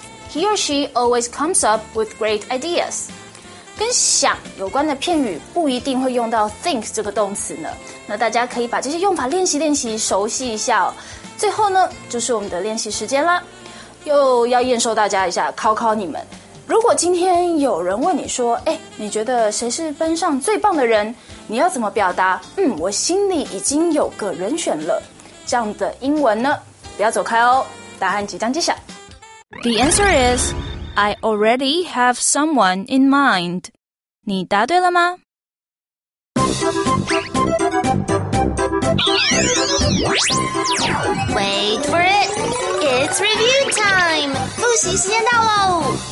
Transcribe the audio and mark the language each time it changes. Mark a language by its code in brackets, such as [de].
[en] He or she always comes up with great ideas. [zh] 跟想有关的片语不一定会用到 think 这个动词呢那大家可以把这些用法练习练习熟悉一下哦最后呢，就是我们的练习时间啦。又要验收大家一下，考考你们。如果今天有人问你说，哎，你觉得谁是班上最棒的人？你要怎么表达？嗯，我心里已经有个人选了。这样的英文呢？不要走开哦，答案即将揭晓。 [en] The answer is, I already have someone in mind. [zh] 你答对了吗？ [en] Wait for it. It's review time. [zh] 复习时间到喽。